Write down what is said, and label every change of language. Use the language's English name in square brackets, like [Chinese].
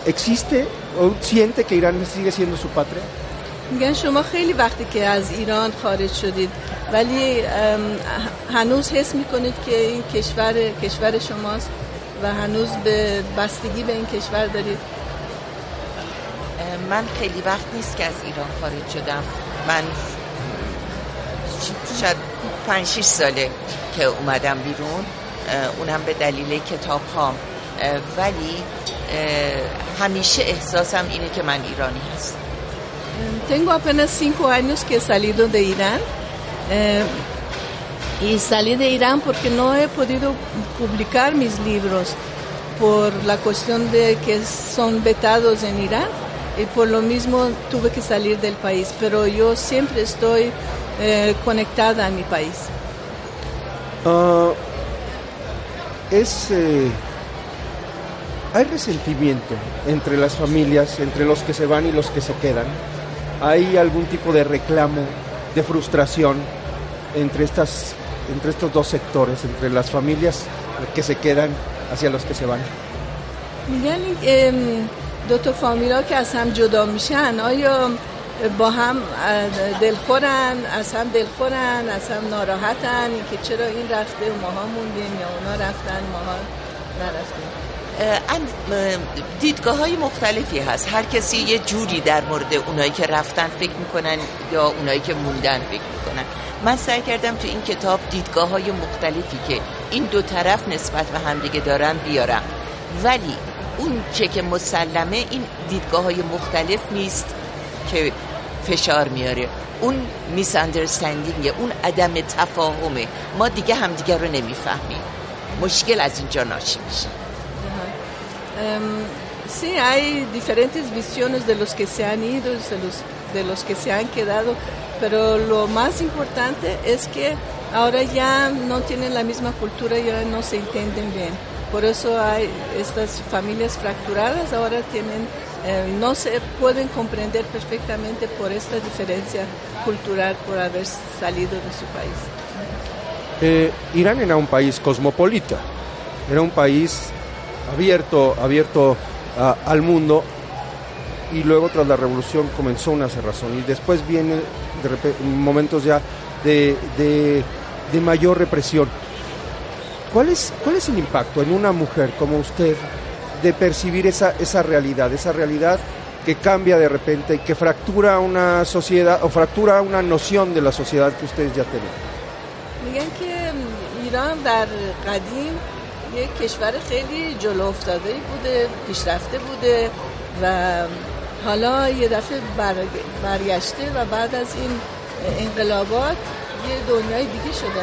[Spanish] ¿Existe o siente que Irán sigue siendo su patria? [Persian] میگن شما خیلی وقتی که از ایران خارج شدید ولی هنوز حس میکنید که این کشور شماست و هنوز به بستگی به این کشور دارید. من خیلی وقت نیست که از ایران خارج شدم. من شاید 5-6 ساله که اومدم بیرون، اونم به دلیل کتاب هام، ولی همیشه احساسم اینه که من ایرانی هستم. [Spanish] Tengo apenas 5 años que he salido de Irán. y salí de Irán porque no he podido publicar mis libros por la cuestión de que son vetados en Irán, y por lo mismo tuve que salir del país, pero yo siempre estoy conectada a mi país. Hay resentimiento entre las familias, entre los que se van y los que se quedan. ¿Hay algún tipo de reclamo, de frustración entre estos dos sectores, entre las familias que se quedan hacia los que se van? [Persian] میگن دو تا فامیلا که از هم جدا میشن آیا با هم دلخورن، از هم دلخورن، از هم ناراحتن، این که چرا این رفته و ماها موندیم یا اونا رفتن ماها نرفتیم؟ دیدگاه های مختلفی هست، هر کسی یه جوری در مورد اونایی که رفتن فکر میکنن یا اونایی که موندن فکر میکنن. من سعی کردم تو این کتاب دیدگاه های مختلفی که این دو طرف نسبت به همدیگه دارن بیارم، ولی اون چه که مسلمه این دیدگاه های مختلف نیست که فشار میاره، اون میساندرستندینگه، اون عدم تفاهمه، ما دیگه همدیگه رو نمیفهمیم، مشکل از اینجا ناشی میشه. [Spanish] Sí, hay diferentes visiones de los que se han ido, de los que se han quedado, pero lo más importante es que ahora ya no tienen la misma cultura, ya no se entienden bien. Por eso hay estas familias fracturadas, ahora tienen, no se pueden comprender perfectamente por esta diferencia cultural por haber salido de su país. Irán era un país cosmopolita, era un país abierto al mundo, y luego tras la revolución comenzó una cerrazón, y después viene de momentos ya de mayor represión. ¿Cuál es el impacto en una mujer como usted de percibir esa realidad que cambia de repente y que fractura una sociedad o fractura una noción de la sociedad que ustedes ya tienen? Miren que [Persian] Irán dar qadim یک کشور خیلی جلو افتاده بوده، پیشرفته بوده و حالا یه دفعه برگشته و بعد از این انقلابات یه دنیای دیگه شده.